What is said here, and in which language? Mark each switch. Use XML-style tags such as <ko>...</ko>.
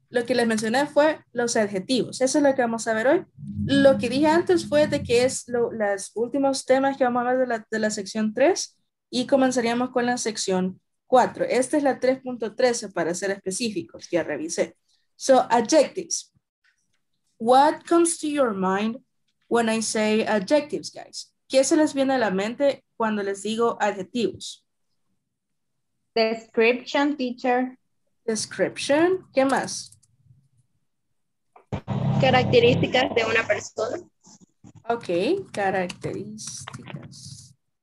<es>Lo que les mencioné fue los adjetivos. Eso es lo que vamos a ver hoy. Lo que dije antes fue de que es los últimos temas que vamos a ver de la sección 3. Y comenzaríamos con la sección 4. Esta es la 3.13 para ser específicos, ya revisé.</es> <en>So, adjectives. What comes to your mind when I say adjectives, guys?</en> <es>¿Qué se les viene a la mente cuando les digo adjetivos?</es> <en>Description, teacher.</en> <es>Description. ¿Qué más? Características de una persona. Ok, características.</es>